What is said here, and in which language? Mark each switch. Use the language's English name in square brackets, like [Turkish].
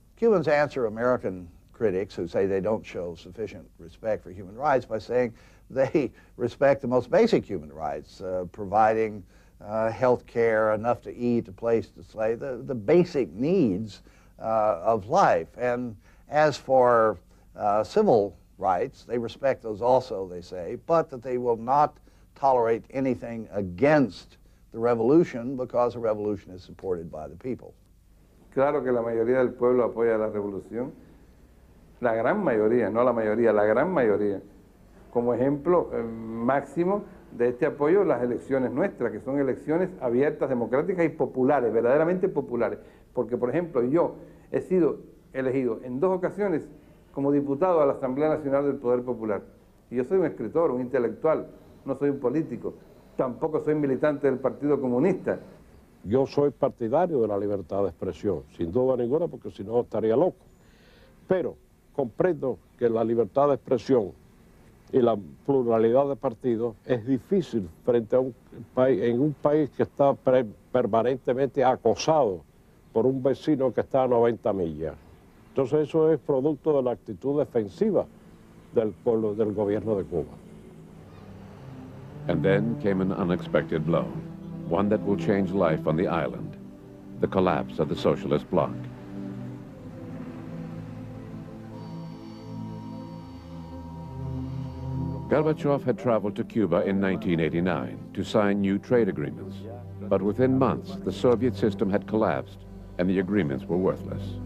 [English] Cubans answer American critics who say they don't show sufficient respect for human rights by saying they respect the most basic human rights, providing health care, enough to eat, a place to stay, the basic needs of life. And as for civil rights, they respect those also, they say, but that they will not tolerate anything against the revolution because a revolution is supported by the people. [Spanish] Claro que la mayoría del pueblo apoya la revolución. La gran mayoría, no la mayoría, la gran mayoría. Como ejemplo máximo de este apoyo, las elecciones nuestras, que son elecciones abiertas, democráticas y populares, verdaderamente populares. Porque, por ejemplo, yo he sido elegido en dos ocasiones como diputado a la Asamblea Nacional del Poder Popular. Y yo soy un escritor, un intelectual, no soy un político. Tampoco soy militante del Partido Comunista. Yo soy partidario de la libertad de expresión, sin duda ninguna, porque si no estaría loco. Pero comprendo que la libertad de expresión y la pluralidad de partidos es difícil frente a un país, en un país que está permanentemente acosado por un vecino que está a 90 millas. Entonces eso es producto de la actitud defensiva del pueblo, del gobierno de Cuba. [English] And then came an unexpected blow, one that will change life on the island, the collapse of the socialist bloc. Gorbachev had traveled to Cuba in 1989 to sign new trade agreements, but within months the Soviet system had collapsed and the agreements were worthless.